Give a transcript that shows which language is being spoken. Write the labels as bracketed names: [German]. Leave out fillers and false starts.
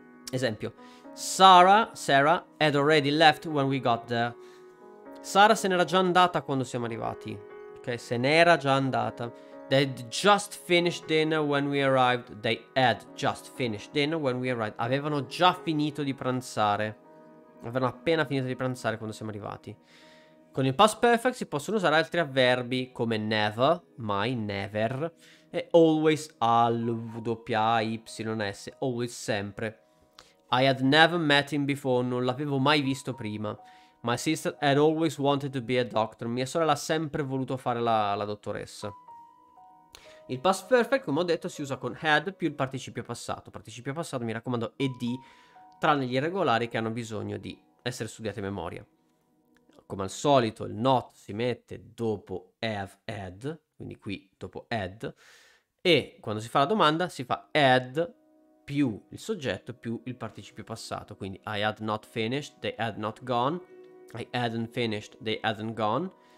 [Italian] Esempio: [English] Sarah had already left when we got there. [Italian] Sara se n'era già andata quando siamo arrivati. Ok, se n'era già andata. [English] They'd just finished dinner when we arrived. They had just finished dinner when we arrived. [Italian] Avevano già finito di pranzare. Avevano appena finito di pranzare quando siamo arrivati. Con il past perfect si possono usare altri avverbi come never, mai, never, e always always, sempre. [English] I had never met him before, [Italian] non l'avevo mai visto prima. [English] My sister had always wanted to be a doctor. [Italian] Mia sorella ha sempre voluto fare la dottoressa. Il past perfect, come ho detto, si usa con had più il participio passato. Participio passato, mi raccomando, ed, tranne gli irregolari che hanno bisogno di essere studiati a memoria. Come al solito, il not si mette dopo have, had, quindi qui dopo had, e quando si fa la domanda si fa had più il soggetto più il participio passato. Quindi [English] I had not finished, they had not gone. I hadn't finished, they hadn't gone.